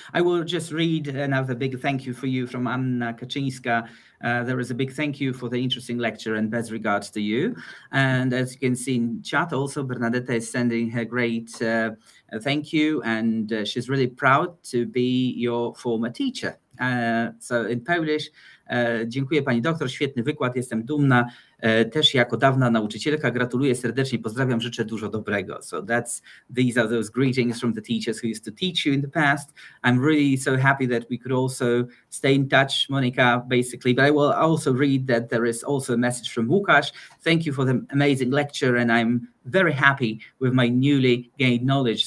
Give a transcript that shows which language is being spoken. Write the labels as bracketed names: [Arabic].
[English] I will just read another big thank you for you from Anna Kaczyńska. There is a big thank you for the interesting lecture and best regards to you. And as you can see in chat also, Bernadette is sending her great thank you, and she's really proud to be your former teacher. So in Polish, [Polish] dziękuję pani doktor, świetny wykład, jestem dumna. Też jako dawna nauczycielka gratuluję serdecznie, pozdrawiam, życzę dużo dobrego. [English] So these are those greetings from the teachers who used to teach you in the past. I'm really so happy that we could also stay in touch, Monika, basically. But I will also read that there is also a message from Łukasz. Thank you for the amazing lecture, and I'm very happy with my newly gained knowledge.